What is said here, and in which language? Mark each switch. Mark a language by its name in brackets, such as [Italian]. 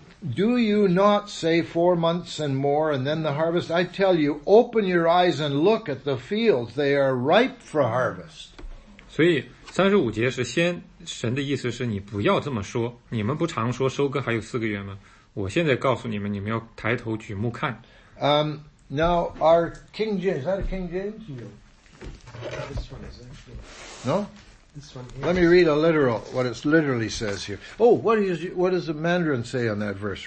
[English] Do you not say 4 months and more and then the harvest? I tell you, open your eyes and look at the fields. They are ripe for harvest. [Chinese] 所以35节是先神的意思是你不要这么说。你们不常说收割还有四个月吗? 我现在告诉你们,你们要抬头举目看。 [English] Now, our King James, is that a King James? No. This one is actually. No? Let me read a literal, what it literally says here. Oh, what does the Mandarin say on that verse?